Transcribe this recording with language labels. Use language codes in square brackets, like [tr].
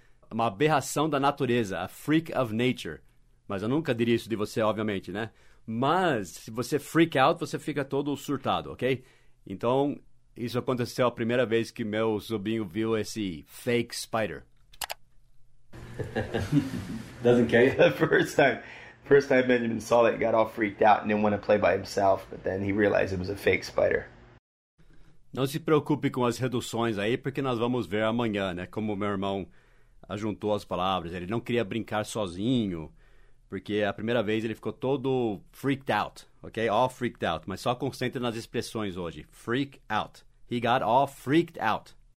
[pt] Uma aberração da natureza, [en] a freak of nature. [pt] Mas eu nunca diria isso de você, obviamente, né? Mas, se você freak out, você fica todo surtado, ok? Então, isso aconteceu a primeira vez que meu sobrinho viu esse fake spider. [en] Doesn't care. The first time Benjamin saw it, got all freaked out and didn't want to play by himself, but then he realized it was a fake spider. [pt] Não se preocupe com as reduções aí, porque nós vamos ver amanhã, né? Como meu irmão ajuntou as palavras, ele não queria brincar sozinho, porque a primeira vez ele ficou todo freaked out, ok? [en] All freaked out, [pt] mas só concentre nas expressões hoje, [en] freak out. He got all freaked out.